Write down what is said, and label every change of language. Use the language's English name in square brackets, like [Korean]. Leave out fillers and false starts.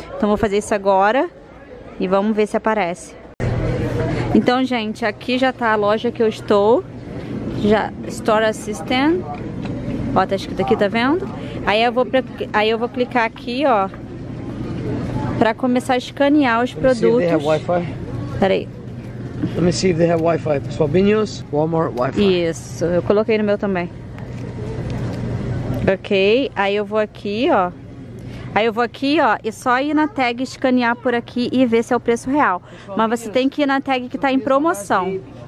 [Portuguese] Então vou fazer isso agora e vamos ver se aparece. Então, gente, aqui já tá a loja que eu estou. Já, Store Assistant. Ó, tá escrito aqui, tá vendo? Aí eu vou clicar aqui, ó, pra começar a escanear os produtos. [English] Let me see if they have Wi-Fi. [Portuguese] Peraí. [English] Let me see if they have Wi-Fi. Swabinhos, Walmart Wi-Fi. [Portuguese] Isso, eu coloquei no meu também. Ok, aí eu vou aqui, ó, e só ir na tag, escanear por aqui e ver se é o preço real. Mas você tem que ir na tag que tá em promoção.